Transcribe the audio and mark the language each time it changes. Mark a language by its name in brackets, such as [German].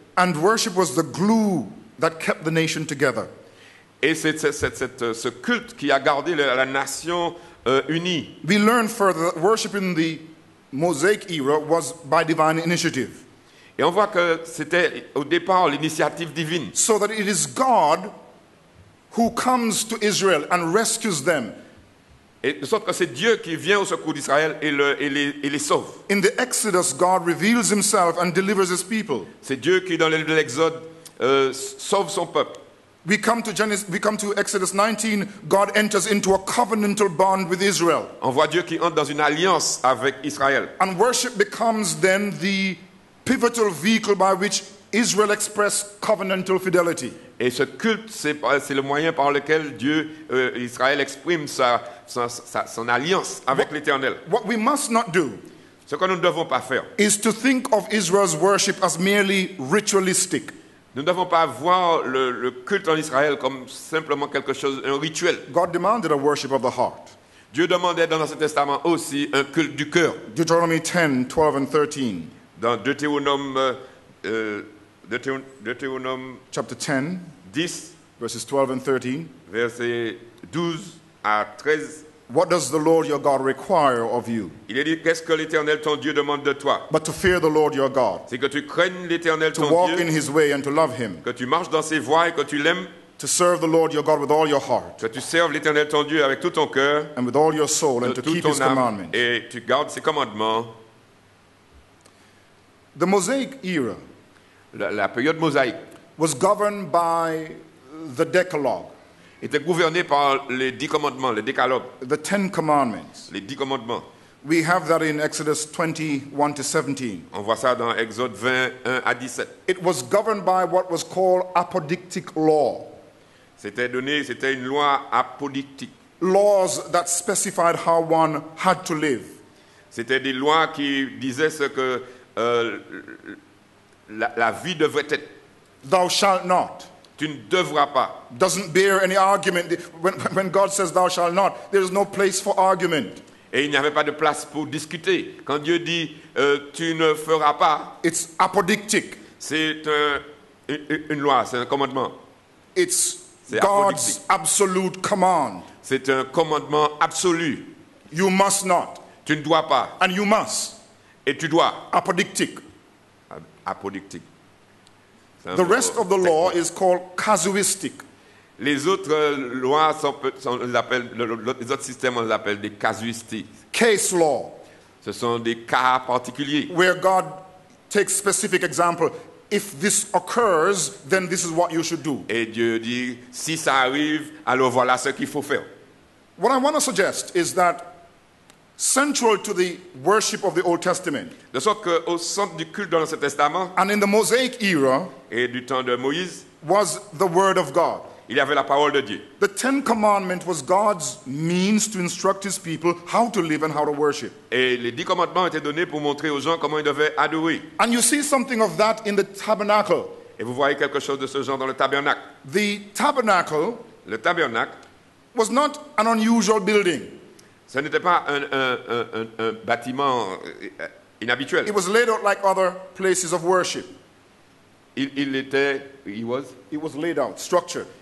[English] And worship was the glue that kept the nation together. [French] Et c'est ce culte qui a gardé la nation unie. [English] We learn further that worship in the Mosaic era was by divine initiative. [French] Et on voit que c'était au départ l'initiative divine. [English] So that it is God who comes to Israel and rescues them. [French] Et de sorte que c'est Dieu qui vient au secours d'Israël et les sauve. [English] In the Exodus, God reveals himself and delivers his people. [French] C'est Dieu qui dans l'Exode sauve son peuple. [English] We come to Exodus 19, God enters into a covenantal bond with Israel. [French] On voit Dieu qui entre dans une alliance avec Israël. [English] And worship becomes then the pivotal vehicle by which Israel expressed covenantal fidelity. [French] Et ce culte, c'est le moyen par lequel Dieu, Israël, exprime son alliance avec l'Éternel. [English] What we must not do, [French] ce que nous ne devons pas faire, [English] is to think of Israel's worship as merely ritualistic. [French] Nous ne devons pas voir le culte en Israël comme simplement quelque chose, un rituel. [English] God demanded a worship of the heart. [French] Dieu demandait dans l'Ancien Testament aussi un culte du cœur. [English] Deuteronomy 10, 12 and 13. [French] Dans Deutéronome [English] chapter 10, [French] 10 [English] verses 12 and 13, [French] versets 12 à 13. [English] What does the Lord your God require of you? [French] Il est dit qu'est-ce que l'Éternel ton Dieu demande de toi? [English] But to fear the Lord your God. [French] C'est que tu craignes l'Éternel ton Dieu. [English] To walk in his way and to love him. [French] Que tu marches dans ses voies et que tu l'aimes. [English] To serve the Lord your God with all your heart. [French] Que tu serves l'Éternel ton Dieu avec tout ton cœur. [English] And with all your soul and to keep his commandments. [French] Et tu gardes ses commandements. [English] The Mosaic era, [French] la période mosaïque, [English] was governed by the Decalogue. [French] Était gouverné par les 10 commandements, le Décalogue. [English] The Ten Commandments. [French] Les 10 commandements. [English] We have that in Exodus 21 to 17. [French] On voit ça dans Exode 21 à 17. [English] It was governed by what was called apodictic law. [French] C'était une loi apodictique. [English] Laws that specified how one had to live. [French] C'était des lois qui disaient ce que la vie devrait être. [English] Thou shalt not. [French] Tu ne devras pas. [English] Doesn't bear any argument. When God says thou shalt not, there is no place for argument. [French] Et il n'y avait pas de place pour discuter. Quand Dieu dit tu ne feras pas, [English] it's apodictic. [French] C'est une loi, c'est un commandement. [English] It's c'est God's apodictique. Absolute command. [French] C'est un commandement absolu. [English] You must not. [French] Tu ne dois pas. [English] And you must. [French] Et tu dois. [English] Apodictic. Apodictic. The rest of the law is called casuistic. [French] Les autres lois sont on les appelle les autres systèmes on les appelle des casuistiques. [English] Case law. [French] Ce sont des cas particuliers. [English] Where God takes specific example, if this occurs, then this is what you should do. [French] Et Dieu dit si ça arrive, alors voilà ce qu'il faut faire. [English] What I want to suggest is that central to the worship of the Old Testament. [French] De sorte que au centre du culte dans l'Ancien Testament. [English] And in the Mosaic era. [French] Et du temps de Moïse. [English] Was the Word of God. [French] Il y avait la parole de Dieu. [English] The Ten Commandments was God's means to instruct His people how to live and how to worship. [French] Et les dix commandements étaient donnés pour montrer aux gens comment ils devaient adorer. [English] And you see something of that in the tabernacle. [French] Et vous voyez quelque chose de ce genre dans le tabernacle. [English] The tabernacle. [French] Le tabernacle. [English] Was not an unusual building. [French] Ce n'était pas un bâtiment inhabituel. [English] It was laid out like other places of worship. It was laid out, structured.